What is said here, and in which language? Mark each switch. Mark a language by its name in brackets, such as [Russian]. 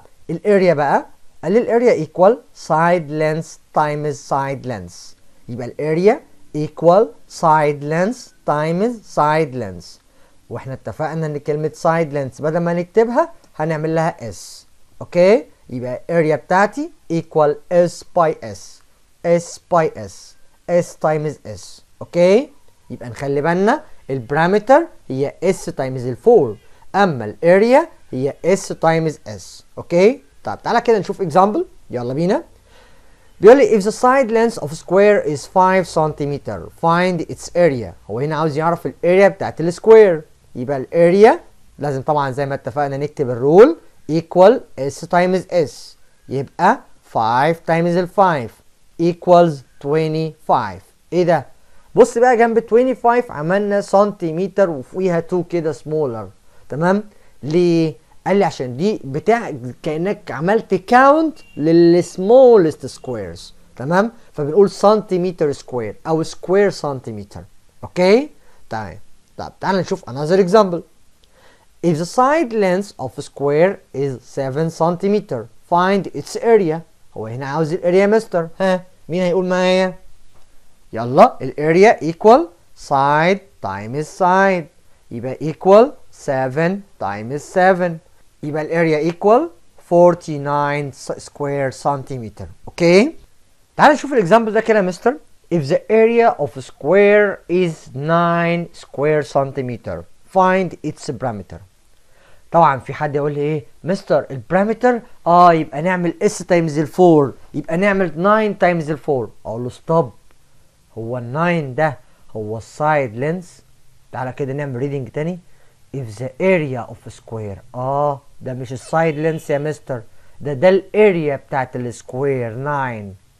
[Arabic] الاريا بقى قال لي الاريا [English] equal side length times side length، [Arabic] يبقى الاريا [English] equal side length times side length، [Arabic] واحنا اتفقنا ان كلمه side length بدل ما نكتبها هنعمل لها s. اوكي يبقى الاريا بتاعتي equal s by s s by s s times s. اوكي يبقى نخلي بالنا البرامتر هي s times ال 4، اما الاريا هي s times s. اوكي طيب تعالى كده نشوف example، يلا بينا. بيقول لي [English] if the side length of a square is 5 cm find its area، [Arabic] هو هنا عاوز يعرف ال area بتاعت ال square، يبقى ال area لازم طبعا زي ما اتفقنا نكتب ال rule [English] equal s times s، [Arabic] يبقى 5 times ال 5 equals 25. ايه ده؟ بص بقى جنب 25 عملنا سنتيمتر وفيها 2 كده smaller، تمام؟ ليه؟ قال لي عشان دي بتاع كانك عملت كاونت للسمولست سكويرز، تمام؟ فبنقول سنتيمتر سكوير او سكوير سنتيمتر. اوكي طيب تعال نشوف another example. [English] if the side length of a square is 7 cm find its area، [Arabic] هو هنا عاوز الاريا مستر، ها مين هيقول معايا؟ يلا الاريا equal side times side، يبقى equal 7 times 7، يبقى الاريا ايكوال 49 سكوير سنتيمتر. اوكي تعال نشوف الاكزامبل ده كده يا مستر. [English] if the area of a square is 9 [Arabic] سكوير سنتيمتر [English] find its parameter. [Arabic] طبعا في حد يقول لي ايه مستر البارامتر؟ يبقى نعمل s تايمز ال 4، يبقى نعمل 9 تايمز ال 4. اقول له ستوب، هو ال 9 ده هو السايد لينث؟ تعالى كده نعمل ريدنج تاني. [English] if the area of a square، [Arabic] ده مش السايد لينث يا مستر، ده الاريا بتاعت السكوير 9.